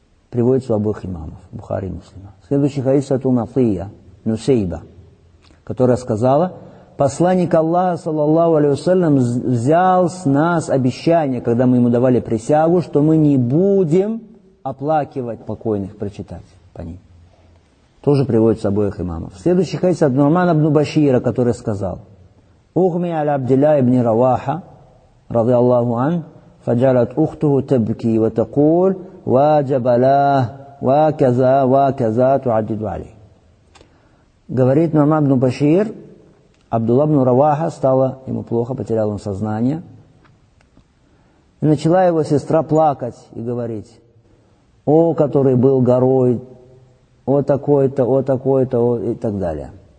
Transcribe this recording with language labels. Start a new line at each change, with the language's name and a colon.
Russian: Приводится у обоих имамов, Бухари и Муслима. Следующий хадис от Унафия, Нусейба, которая сказала, посланник Аллаха,
Arabic: саллаллаху алейхи ва саллям,
Russian: взял с нас обещание, когда мы ему давали присягу, что мы не будем оплакивать покойных, прочитать по ним. Тоже приводится у обоих имамов. Следующий хадис от Нурмана ибн Башира, который сказал,
Arabic: أغمي على عبد الله بن رواحة رضي الله عنه فجعلت أخته تبكي وتقول واجب له وكذا وكذا تعدد عليه.
Russian: Говорит Нурман ибн Башир, Абдулла ибн Раваха, стало ему плохо, потерял он сознание. И начала его сестра плакать и говорить: «О, который был горой, о такой-то, о такой-то», и так далее.